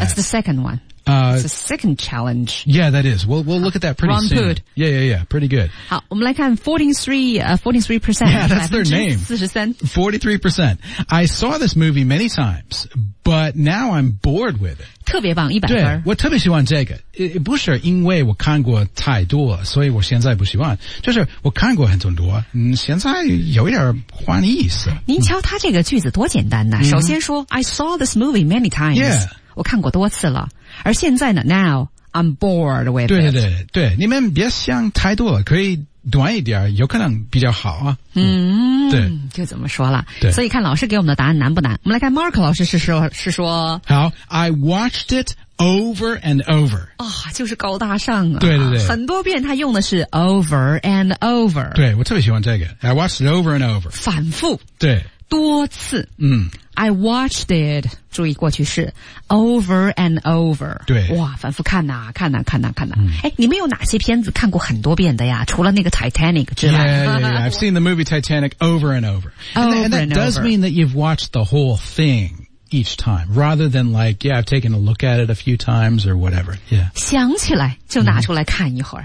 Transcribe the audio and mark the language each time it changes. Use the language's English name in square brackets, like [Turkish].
[English] That's the second one. It's a second challenge. Yeah, that is. We'll look at that pretty soon. Good. Yeah, yeah, yeah. Pretty good. [Chinese] 好我们来看 43%. [English] Yeah, that's their name. 43%. I saw this movie many times, but now I'm bored with it. [Chinese] 特别棒100分。对我特别喜欢这个。不是因为我看过太多所以我现在不喜欢。就是我看过很多现在有一点换意思。您瞧他这个句子多简单呢、嗯、首先说 [English] I saw this movie many times. Yeah. [Chinese] 我看过多次了而现在呢 [English] Now I'm bored with it [Chinese] 对对对你们别想太多可以短一点有可能比较好啊嗯, 嗯对就怎么说了对所以看老师给我们的答案难不难我们来看 Mark 老师是说好 [English] I watched it over and over [Chinese] 啊、哦，就是高大上啊对对对很多遍他用的是 [English] over and over [Chinese] 对我特别喜欢这个 [English] I watched it over and over [Chinese] 反复对多次嗯 [English] I watched it [Chinese] 注意过去式 [English] over and over [Chinese] 对哇反复看啊看啊看啊看啊、嗯、你们有哪些片子看过很多遍的呀除了那个 Titanic 之外 [English] yeah, yeah, yeah. I've seen the movie Titanic over and over and that does mean that you've watched the whole thing each time rather than like yeah I've taken a look at it a few times or whatever yeah [Chinese] 想起来就拿出来看一会儿、